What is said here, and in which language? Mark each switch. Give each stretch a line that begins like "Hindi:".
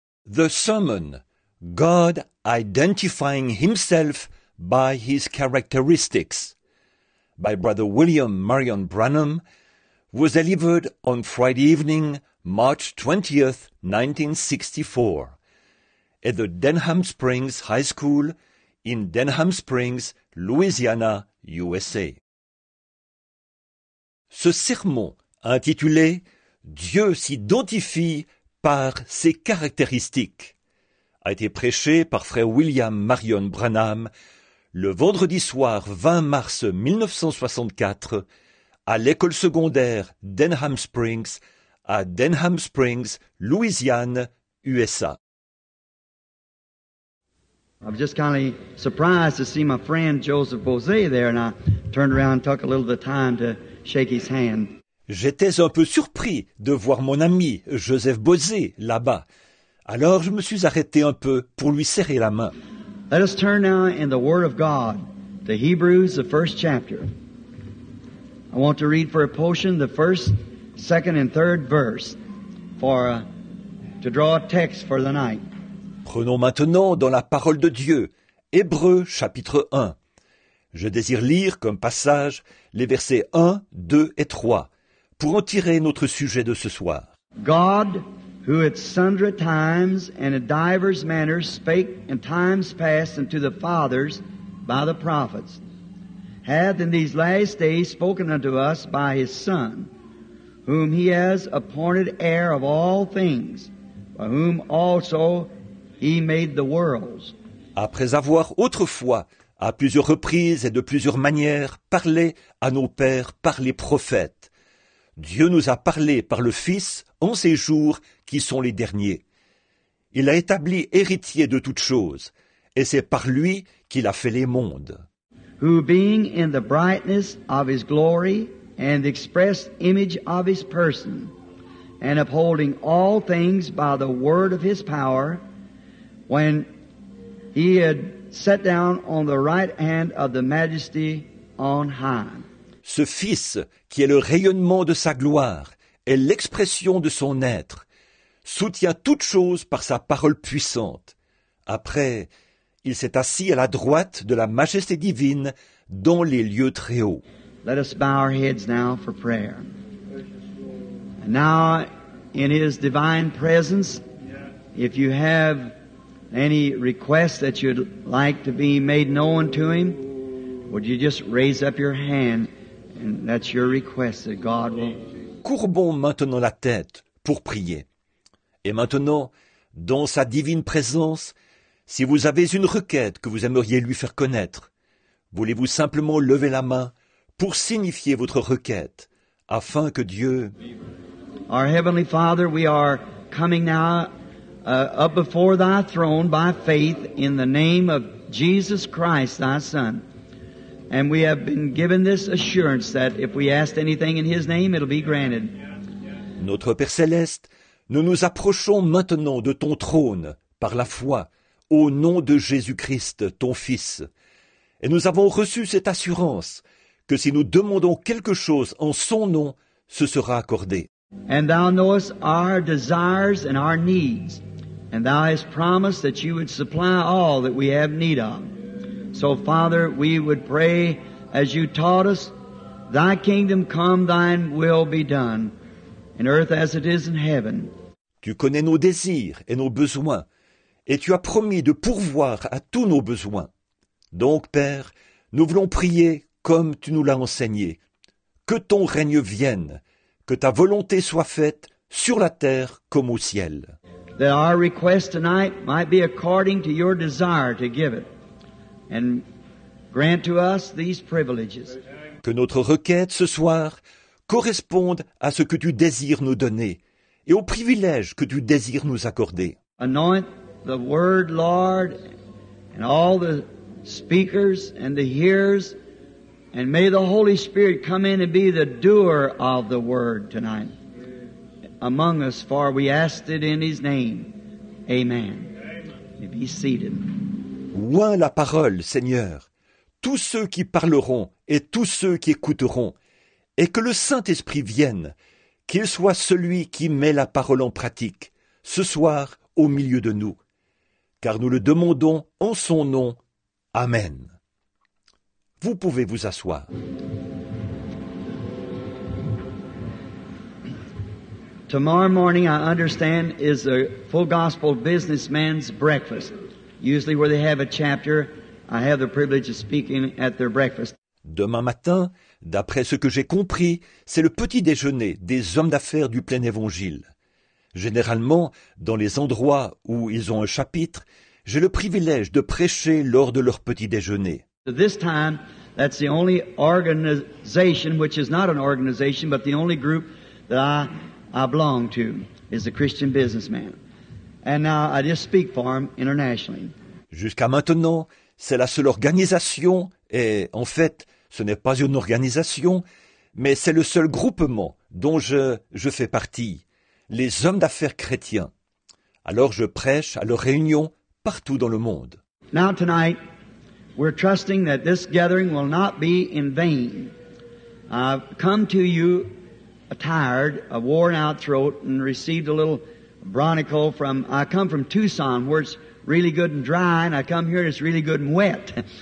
English: The Sermon, God Identifying Himself by His Characteristics, by Brother William Marion Branham, was delivered on Friday evening, March 20th, 1964, at the Denham Springs High School in Denham Springs, Louisiana, USA.
French: Ce sermon intitulé « Dieu s'identifie par ses caractéristiques » a été prêché par Frère William Marion Branham le vendredi soir 20 mars 1964 à l'école secondaire Denham Springs à Denham Springs, Louisiane, USA.
English: I was just kind of surprised to see my friend Joseph Bosé there, and I turned around and took a little of the time to shake his hand.
French: J'étais un peu surpris de voir mon ami Joseph Bosé là-bas. Alors je me suis arrêté un peu pour lui serrer la main.
English: Let us turn now in the Word of God to Hebrews, the first chapter. I want to read for a portion the first, second, and third verse for to draw a text for the night.
French: Prenons maintenant dans la parole de Dieu, Hébreux chapitre 1. Je désire lire comme passage les versets 1, 2 et 3 pour en tirer notre sujet de ce soir.
English: God, who at sundry times and in divers manners spake in times past unto the fathers by the prophets, hath in these last days spoken unto us by his Son, whom he has appointed heir of all things, by whom also He made the worlds.
French: Après avoir autrefois, à plusieurs reprises et de plusieurs manières, parlé à nos pères par les prophètes, Dieu nous a parlé par le Fils en ces jours qui sont les derniers. Il a établi héritier de toutes choses, et c'est par lui qu'il a fait les mondes.
English: Who being in the brightness of his glory and the express image of his person, and upholding all things by the word of his power, when he had sat down on the right hand of the majesty on high.
French: Ce Fils, qui est le rayonnement de sa gloire et l'expression de son être, soutient toute chose par sa parole puissante. Après, il s'est assis à la droite de la majesté divine dans les lieux très hauts.
English: Let us bow our heads now for prayer. And now, in his divine presence, if you have any request that you'd like to be made known to him, would you just raise up your hand, and that's your request that God will.
French: Courbons maintenant la tête pour prier. Et maintenant, dans sa divine présence, si vous avez une requête que vous aimeriez lui faire connaître, voulez-vous simplement lever la main pour signifier votre requête, afin que Dieu.
English: Our Heavenly Father, we are coming now up before thy throne by faith in the name of Jesus Christ, thy Son. And we have been given this assurance that if we ask anything in his name, it'll be granted.
French: Notre Père Céleste, nous nous approchons maintenant de ton trône par la foi au nom de Jésus-Christ, ton Fils. Et nous avons reçu cette assurance que si nous demandons quelque chose en son nom, ce sera accordé.
English: And thou knowest our desires and our needs. And thou hast promised that you would supply all that we have need of. So, Father, we would pray as you taught us, thy kingdom come, thine will be done, in earth as it is in heaven.
French: Tu connais nos désirs et nos besoins, et tu as promis de pourvoir à tous nos besoins. Donc, Père, nous voulons prier comme tu nous l'as enseigné. Que ton règne vienne, que ta volonté soit faite sur la terre comme au ciel.
English: That our request tonight might be according to your desire to give it and grant to us these privileges.
French: Que notre requête ce soir corresponde à ce que tu désires nous donner et aux privilèges que tu désires nous accorder.
English: Anoint the word, Lord, and all the speakers and the hearers, and may the Holy Spirit come in and be the doer of the word tonight among us, for we asked it in his name. Amen. Amen. Be seated.
French: Oint la parole, Seigneur, tous ceux qui parleront et tous ceux qui écouteront, et que le Saint-Esprit vienne, qu'il soit celui qui met la parole en pratique, ce soir, au milieu de nous. Car nous le demandons en son nom. Amen. Vous pouvez vous asseoir.
English: Tomorrow morning, I understand, is a full gospel businessman's breakfast. Usually where they have a chapter, I have the privilege of speaking at their breakfast.
French: Demain matin, d'après ce que j'ai compris, c'est le petit déjeuner des hommes d'affaires du plein évangile. Généralement, dans les endroits où ils ont un chapitre, j'ai le privilège de prêcher lors de leur petit déjeuner.
English: This time, that's the only organization, which is not an organization, but the only group that I belong to, is the Christian businessman. And now I just speak for them internationally.
French: Jusqu'à maintenant, c'est la seule organisation, et en fait, ce n'est pas une organisation, mais c'est le seul groupement dont je fais partie, les hommes d'affaires chrétiens. Alors je prêche à leurs réunions partout dans le monde.
English: Now tonight, we're trusting that this gathering will not be in vain. I've come to you a tired, a worn out throat and received a little bronchial from, I come from Tucson where it's really good and dry and I come here and it's really good and wet.